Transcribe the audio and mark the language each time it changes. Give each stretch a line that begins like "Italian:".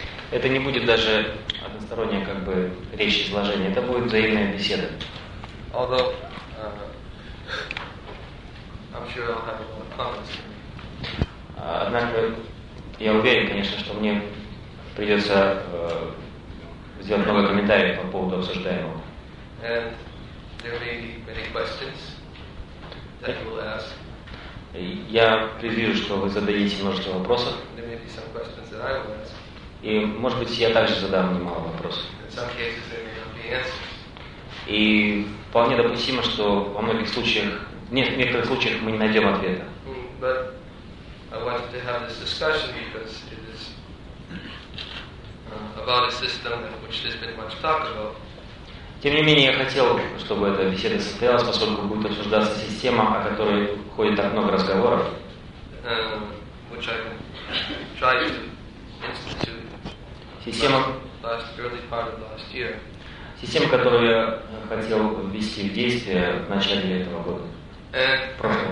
Russian: Это не будет даже односторонняя как бы речь изложения, это будет взаимная беседа.
English: Although, I'm sure I'll have a lot of comments.
Russian: Однако я уверен, конечно, что мне придется сделать много комментариев по поводу обсуждаемого.
English: And there may be many questions that you will ask.
Russian: Я предвижу, что вы зададите множество вопросов.
English: There may be some questions that I will ask.
Russian: И, может быть, я также задам немало вопросов.
English: In some cases, there may not be answers.
Russian: И вполне допустимо, что во многих случаях, в некоторых случаях мы не найдем ответа.
English: But I wanted to have this discussion because it is about a system which there's been much talk about.
Russian: Тем не менее, я хотел, чтобы эта беседа состоялась, поскольку будет обсуждаться система, о которой ходит так много разговоров.
English: Which I tried to institute last, early part of last year.
Russian: Система, которую я хотел ввести в действие в начале этого года.